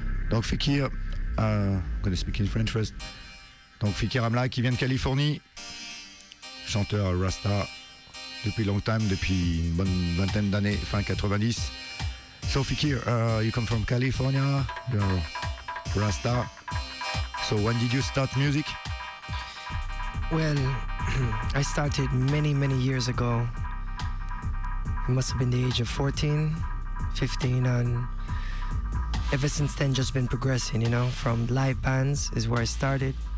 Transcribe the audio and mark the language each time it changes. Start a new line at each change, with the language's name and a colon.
English: Donc Fikir, I'm gonna speak in French first.
French: Donc Fikir Amlak, qui vient de Californie. Chanteur Rasta depuis
English: long time,
French: depuis une bonne vingtaine d'années, fin 90.
English: So Fikir, you come from California, you're Rasta. So when did you start music? Well, I started many, many years ago. It must have been the age of 14, 15, and ever since then, just been progressing, you know, from live bands is where I started.